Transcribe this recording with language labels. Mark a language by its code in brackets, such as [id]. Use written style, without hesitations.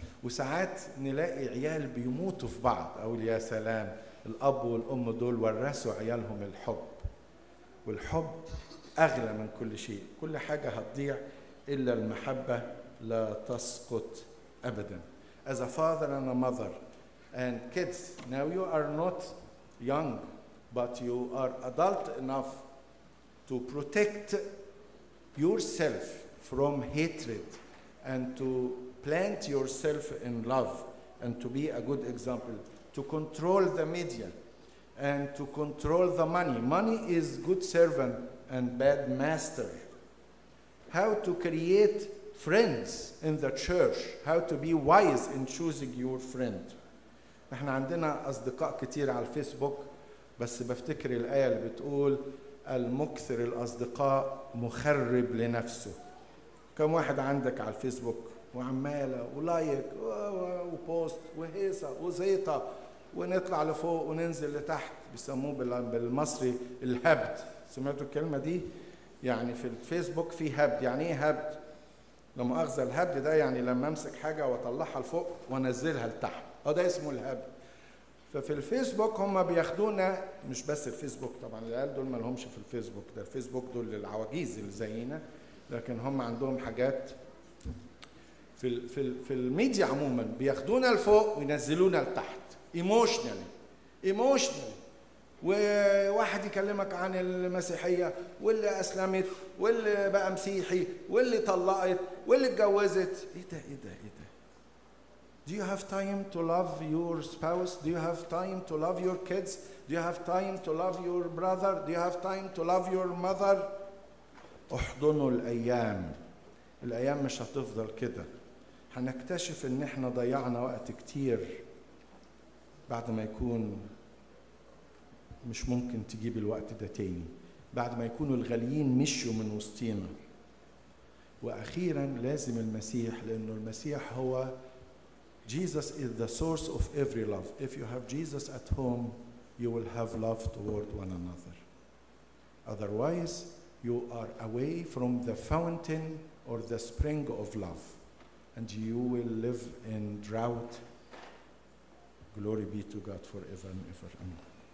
[ar] وساعات نلاقي عيال بيموتوا في بعض، أقول يا سلام، الأب والأم دول ورثوا عيالهم الحب، والحب أغلى من كل شيء، كل حاجة هتضيع إلا المحبة لا تسقط أبدا. [en] As a father and a mother and kids, now you are not young but you are adult enough to protect yourself from hatred and to plant yourself in love and to be a good example, to control the media and to control the money. Money is good servant and bad master. How to create friends in the church, how to be wise in choosing your friend. [ar] احنا عندنا اصدقاء كتير على الفيسبوك، بس بفتكر الآية اللي بتقول المكثر الأصدقاء مخرب لنفسه. كم واحد عندك على الفيسبوك وعمالة ولايك وبوست وهيصة وزيطة، ونطلع لفوق وننزل لتحت، بيسموه بالمصري الهبد. سمعتوا الكلمة دي؟ يعني في الفيسبوك في هبد. يعني ايه هبد؟ لما أخذ الهبد ده يعني لما أمسك حاجة وأطلعها لفوق وأنزلها لتحت، هذا اسمه الهبد. ففي الفيسبوك هم بياخدونا، مش بس الفيسبوك طبعا، العيال دول ما لهمش في الفيسبوك، ده الفيسبوك دول للعواجيز اللي زينا، لكن هم عندهم حاجات في الـ في الـ في الميديا عموما، بياخدونا لفوق وينزلونا لتحت ايموشنال. وواحد يكلمك عن المسيحيه واللي اسلمت واللي بقى مسيحي واللي طلقت واللي اتجوزت. ايه ده؟ [en] Do you have time to love your spouse? Do you have time to love your kids? Do you have time to love your brother? Do you have time to love your mother? [ar] احضنوا الأيام. الأيام مش هتفضل كده. هنكتشف إن إحنا ضيعنا وقت كتير بعد ما يكون مش ممكن تجيب الوقت ده تاني. بعد ما يكونوا الغاليين مشوا من وسطينا. وأخيراً لازم المسيح، لأنه المسيح هو [en] Jesus is the source of every love. If you have Jesus at home, you will have love toward one another. Otherwise, you are away from the fountain or the spring of love, and you will live in drought. Glory be to God forever and ever. Amen.